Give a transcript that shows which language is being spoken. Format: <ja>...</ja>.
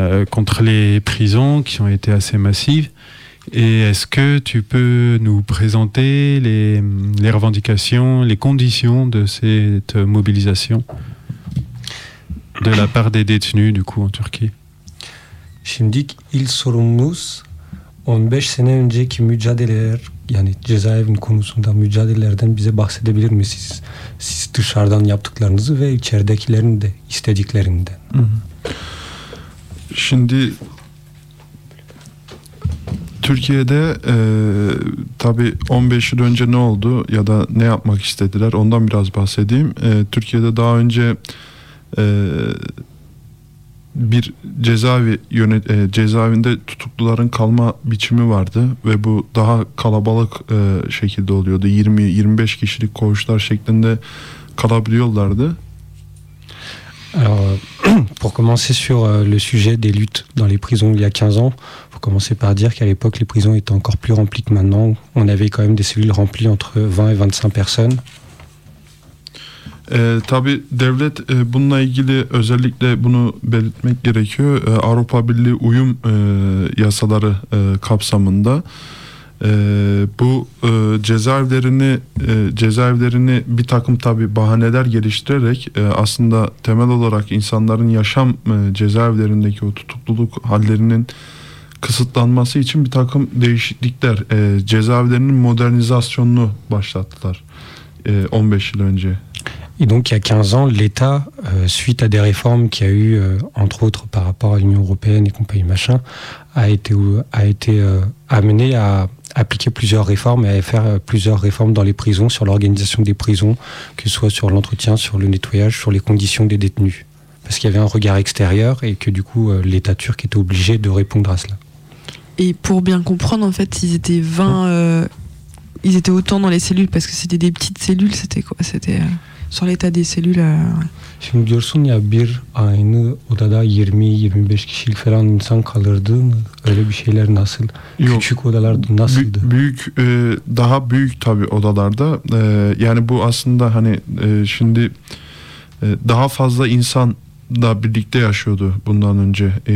<fr>Contre les prisons qui ont été assez massives. Et est-ce que tu peux nous présenter les revendications, les conditions de cette mobilisation de la part des détenus, du coup, en Turquie?</fr> <tr>Şimdik il sorumluz 15 sene önceki mücadeleler, yani cezaevin konusunda mücadelelerden bize bahsedebilir misiniz? Siz dışarıdan yaptıklarınızı ve içeridekilerin de istediklerinden. Hı hı. Şimdi Türkiye'de tabii 15 yıl önce ne oldu ya da ne yapmak istediler ondan biraz bahsedeyim. Türkiye'de daha önce bir cezaevinde tutukluların kalma biçimi vardı ve bu daha kalabalık şekilde oluyordu. 20-25 kişilik koğuşlar şeklinde kalabiliyorlardı.</tr> <fr>Alors, pour commencer sur le sujet des luttes dans les prisons il y a 15 ans, il faut commencer par dire qu'à l'époque, les prisons étaient encore plus remplies que maintenant. On avait quand même des cellules remplies entre 20 et 25 personnes.</fr> <tr>Tabii devlet bununla ilgili özellikle bunu belirtmek gerekiyor. Avrupa Birliği uyum yasaları kapsamında. Bu cezaevlerini bir takım tabi bahaneler geliştirerek aslında temel olarak insanların yaşam cezaevlerindeki o tutukluluk hallerinin kısıtlanması için bir takım değişiklikler cezaevlerinin modernizasyonunu başlattılar 15 yıl önce.</tr> <fr>Et donc il y a 15 ans, l'État, suite à des réformes qu'il y a eu, entre autres par rapport à l'Union européenne et compagnie machin, a été amené à appliquer plusieurs réformes et à faire plusieurs réformes dans les prisons, sur l'organisation des prisons, que ce soit sur l'entretien, sur le nettoyage, sur les conditions des détenus. Parce qu'il y avait un regard extérieur et que du coup, l'État turc était obligé de répondre à cela. Et pour bien comprendre, en fait, ils étaient 20... ils étaient autant dans les cellules, parce que c'était des petites cellules, c'était quoi? C'était... Sur l'état des cellules.</fr> <tr>Şimdi diyorsun ya bir aynı odada 20-25 kişilik falan insan kalırdı mı? Öyle bir şeyler nasıl? Yok. Küçük odalarda nasıldı? Büyük, daha büyük tabii odalarda. Yani bu aslında hani şimdi daha fazla insan da birlikte yaşıyordu bundan önce.</tr>